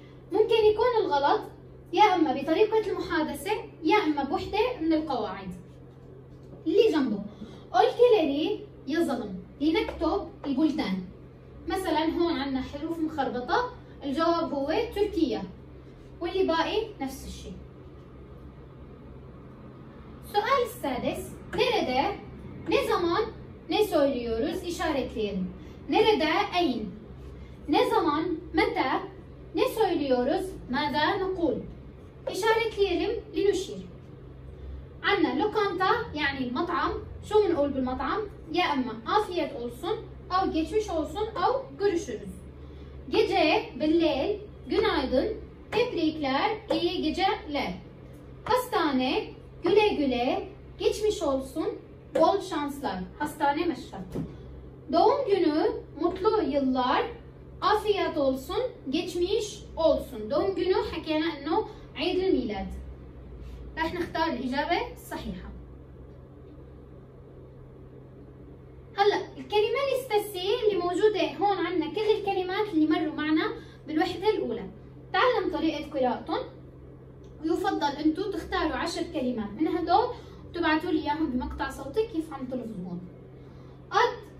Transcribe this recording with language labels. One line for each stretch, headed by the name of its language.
Turkish: Mümkün
Arabic: يكون الغلط
Turkish: ya ama
Arabic: بطريقة المحادثة ya ama بوحدة من القواعد. اللي جنبه.
Turkish: Ülkeleri yazalım.
Arabic: لنكتب البلدان. مثلا هون عندنا حروف مخربطة الجواب هو تركيا واللي باقي نفس الشيء. سؤال السادس نرده
Turkish: ne zaman ne söylüyoruz işaretleyelim. Nerede
Arabic: أين
Turkish: ne zaman
Arabic: متى
Turkish: ne söylüyoruz
Arabic: ماذا نقول
Turkish: işaretleyelim
Arabic: لنشير. عندنا لوكانتا يعني المطعم شو بنقول بالمطعم يا أما
Turkish: afiyet olsun
Arabic: أو
Turkish: geçmiş olsun
Arabic: أو
Turkish: görüşürüz. Gece,
Arabic: بالليل,
Turkish: günaydın, tebrikler, iyi geceler. Hastane, güle güle, geçmiş olsun, bol şanslar. Hastane meşhur. Doğum günü, mutlu yıllar, afiyet olsun, geçmiş olsun. Doğum günü,
Arabic: حكينا إنه عيد الميلاد. راح نختار الإجابة الصحيحة. هلا الكلمه الاستسي اللي موجوده هون عندنا كل الكلمات اللي مروا معنا بالوحده الاولى تعلم طريقه قراءتهم ويفضل انتم تختاروا 10 كلمات من هدول وتبعثوا لي اياهم بمقطع صوتي كيف عم تلفظهم قد